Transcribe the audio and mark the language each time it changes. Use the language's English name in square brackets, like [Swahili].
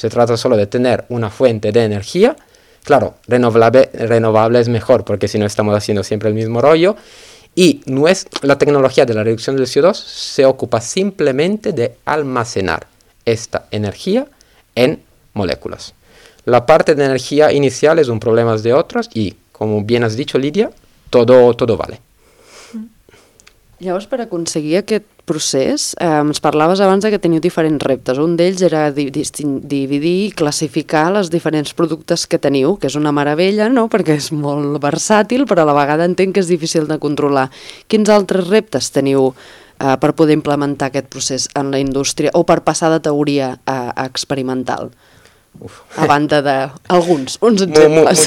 [Spanish] Se trata solo de tener una fuente de energía, claro, renovable es mejor, porque si no estamos haciendo siempre el mismo rollo, y no es la tecnología de la reducción del CO2, se ocupa simplemente de almacenar esta energía en moléculas. La parte de energía inicial es un problema de otros, y como bien has dicho, Lidia, Todo vale. [Catalan] Llavors, per aconseguir aquest procés, ens parlaves abans de que teniu diferents reptes. Un d'ells era dividir i classificar els diferents productes que teniu, que és una meravella, no?, perquè és molt versàtil, però a la vegada entenc que és difícil de controlar. Quins altres reptes teniu per poder implementar aquest procés en la indústria o per passar de teoria a experimental? A banda de [Spanish] algunos, unos ejemplos.